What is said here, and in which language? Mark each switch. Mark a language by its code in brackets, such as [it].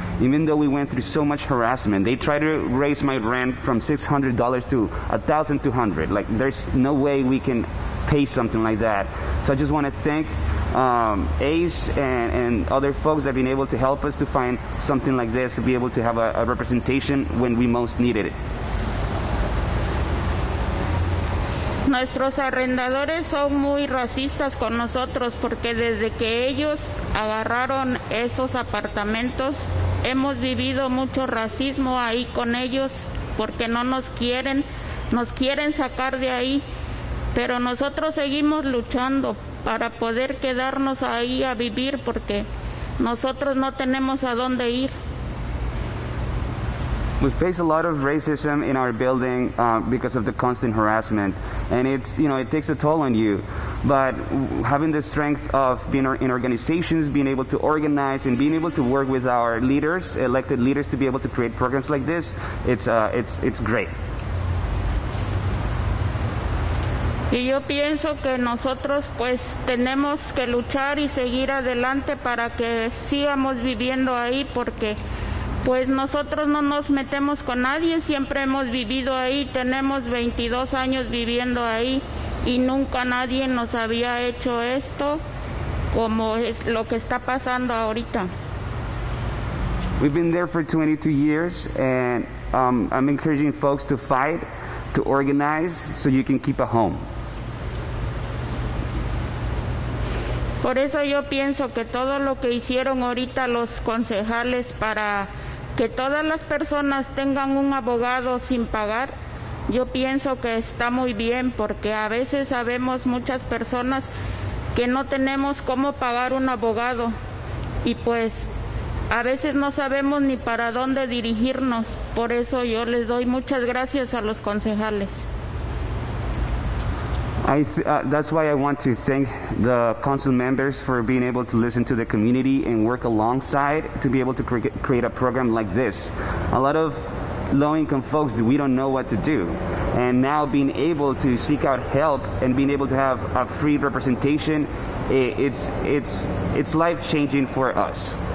[en] Even though we went through so much harassment, they tried to raise my rent from $600 to $1,200. Like, there's no way we can pay something like that. So I just want to thank ACE and other folks that have been able to help us to find something like this to be able to have a representation when we most needed it. [es] Nuestros arrendadores son muy racistas con nosotros porque desde que ellos agarraron esos apartamentos, hemos vivido mucho racismo ahí con ellos porque no nos quieren sacar de ahí, pero nosotros seguimos luchando para poder quedarnos ahí a vivir porque nosotros no tenemos a dónde ir. [en] We face a lot of racism in our building because of the constant harassment, and it's, you know, it takes a toll on you. But having the strength of being in organizations, being able to organize, and being able to work with our leaders, elected leaders, to be able to create programs like this, it's great. [es] Y yo pienso que nosotros pues tenemos que luchar y seguir adelante para que sigamos viviendo ahí porque pues nosotros no nos metemos con nadie, siempre hemos vivido ahí, tenemos 22 años viviendo ahí y nunca nadie nos había hecho esto como es lo que está pasando ahorita. [en] We've been there for 22 years and I'm encouraging folks to fight, to organize so you can keep a home. [es] Por eso yo pienso que todo lo que hicieron ahorita los concejales para que todas las personas tengan un abogado sin pagar, yo pienso que está muy bien, porque a veces sabemos muchas personas que no tenemos cómo pagar un abogado y pues a veces no sabemos ni para dónde dirigirnos. Por eso yo les doy muchas gracias a los concejales. [en] That's why I want to thank the council members for being able to listen to the community and work alongside to be able to create a program like this. A lot of low-income folks, we don't know what to do. And now being able to seek out help and being able to have a free representation, it's life-changing for us.